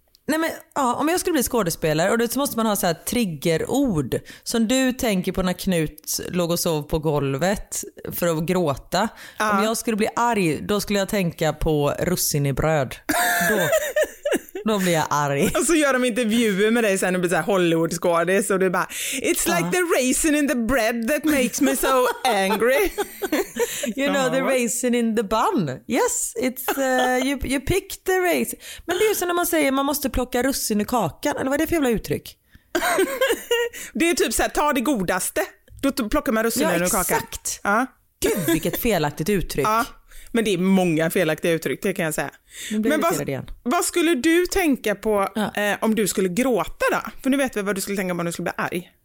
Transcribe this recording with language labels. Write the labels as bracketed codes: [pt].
[sv] Nej, men ja, om jag skulle bli skådespelare, och då måste man ha så här triggerord som du tänker på när Knut låg och sov på golvet för att gråta. Ja. Om jag skulle bli arg, då skulle jag tänka på russin i bröd. Då blir jag arg. Och så gör de intervjuer med dig sen och blir så här Hollywood-skådis och du bara [en] it's like the raisin in the bread that makes me so angry. You know, the raisin in the bun. Yes, it's you pick the raisin. [sv] Men det är ju så när man säger man måste plocka russin i kakan, eller vad är det för jävla uttryck? Det är typ så här, ta det godaste, då plockar man russin ur kakan. Ja, exakt. Gud, vilket felaktigt uttryck. Men det är många felaktiga uttryck, det kan jag säga. Men vad skulle du tänka på om du skulle gråta då? För nu vet vi vad du skulle tänka på om du skulle bli arg.